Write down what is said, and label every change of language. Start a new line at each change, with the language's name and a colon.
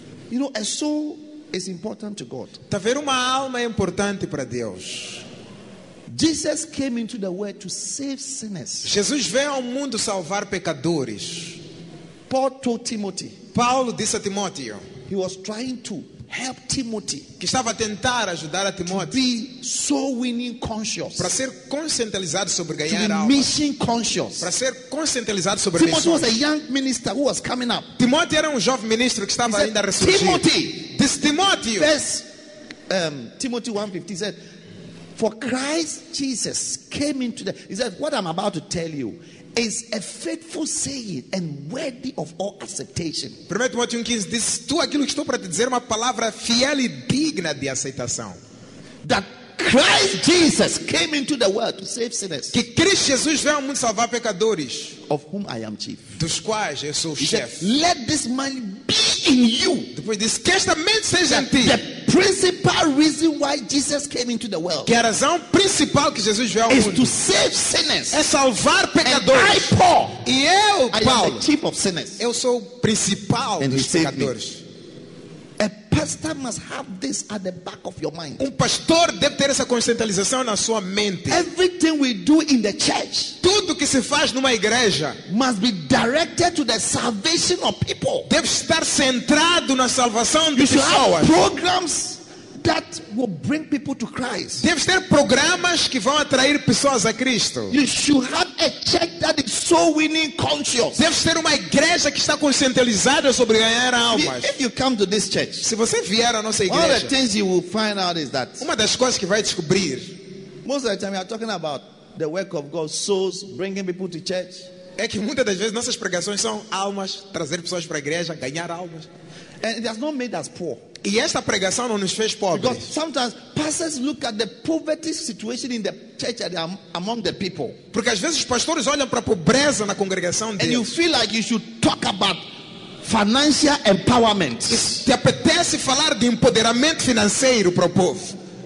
English: You know, a soul is important to God.
Portuguese: Está a ver, uma alma é importante para Deus.
English: Jesus came into the world to save sinners.
Portuguese: Jesus veio ao mundo salvar pecadores.
English: Paul told Timothy.
Portuguese: Paulo disse a Timóteo.
English: He was trying to help Timothy,
Portuguese: que estava a tentar ajudar a Timóteo,
English: to be soul winning conscious,
Portuguese: para ser conscientizado sobre ganhar almas,
English: to be mission conscious,
Portuguese: para ser conscientizado sobre missões.
English: Timóteo was a young minister who was coming up.
Portuguese: Timóteo era jovem ministro que estava ainda a ressurgir.
English: Timothy, this Timóteo. First, Timothy 1:15 said, "For Christ Jesus came into the." He said, "What I'm about to tell you is a faithful saying and worthy of all acceptation."
Portuguese: Primeiro Timóteo 1:15 diz, tu aquilo que estou para te dizer é uma palavra fiel e digna de aceitação.
English: That Christ Jesus came into the world to save sinners.
Portuguese: Que Cristo Jesus veio ao mundo salvar pecadores.
English: Of whom I am chief.
Portuguese: Dos quais eu sou chefe.
English: Let this mind be in you.
Portuguese: Depois diz, que esta mente seja em ti.
English: The principal reason why Jesus came into the world.
Portuguese: Que a razão principal que Jesus veio ao mundo.
English: Is to save sinners.
Portuguese: É salvar pecadores.
English: And I, Paul.
Portuguese: E eu, Paulo.
English: I am the chief of sinners.
Portuguese: Eu sou o principal
English: and
Portuguese: dos pecadores.
English: Me. A pastor must have this at the back of your mind.
Portuguese: Um pastor deve ter essa conscientização na sua mente.
English: Everything we do in the church,
Portuguese: tudo que se faz numa igreja,
English: must be directed to the salvation of people.
Portuguese: Deve estar centrado na salvação de pessoas.
English: You should have programs that will bring people to Christ.
Portuguese: Deve ter programas que vão atrair pessoas a Cristo.
English: You should have a church that is so winning conscious.
Portuguese: Deve ser uma igreja que está conscientizada sobre ganhar almas.
English: If you come to this church,
Portuguese: se você vier à nossa igreja,
English: one of the things you will find out is that
Portuguese: uma das coisas que vai descobrir,
English: most of the time we are talking about the work of God, souls, bringing people to church.
Portuguese: É que muitas das vezes nossas pregações são almas, trazer pessoas para a igreja, ganhar almas.
English: And it has not made us poor.
Portuguese: E esta pregação não nos fez pobres.
English: Because sometimes pastors look at the poverty situation in the church and among the people.
Portuguese: Porque às vezes os pastores olham para a pobreza na congregação deles.
English: And you feel like you should talk about financial empowerment.
Portuguese: Te apetece falar de empoderamento financeiro para o povo.